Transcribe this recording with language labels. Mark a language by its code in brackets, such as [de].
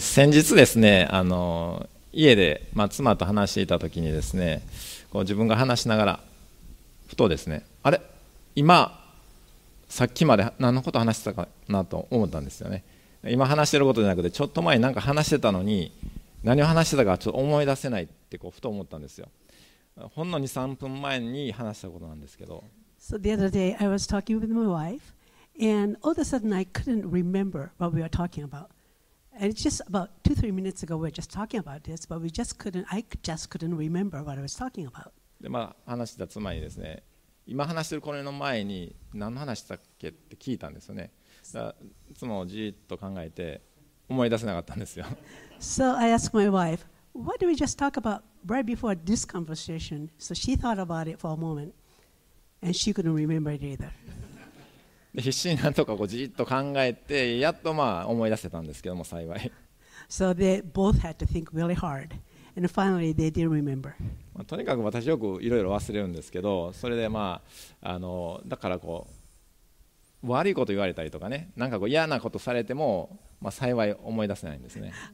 [ja] 先日ですね、家で、妻と話していた時にですね、こう自分が話しながらふとですね、あれ今さっきまで何のこと話してたかなと思ったんですよね。今話してることじゃなくてちょっと前に何か話してたのに何を話してたかちょっと思い出せないってこうふと思ったんですよ。ほんの 2,3 分前に話したことなんですけど、 [en] So the other day I was talking with my wife and all of a sudden I couldn't remember what we were talking about. And it's just about 2-3 minutes ago we were just talking about this, but I just couldn't remember what I was talking about. [ja] で、話した妻にですね、今話してるこれの前に何の話したっけって聞いたんですよね。だから妻をじーっと考えて思い出せなかったんですよ。 [en] So I asked my wife, what did we just talk aboutright before this conversation, so she thought about it for a moment, and she couldn't remember it either. [ja] 必死になんとかこうじっと考えて、やっと思い出せたんですけども、幸い。 [en] So they both had to think really hard, and finally they didn't remember. [ja] とにかく私よくいろいろ忘れるんですけど、それでだからこう、悪いこと言われたりとかね、なんかこう嫌なことされても、幸い思い出せないんですね。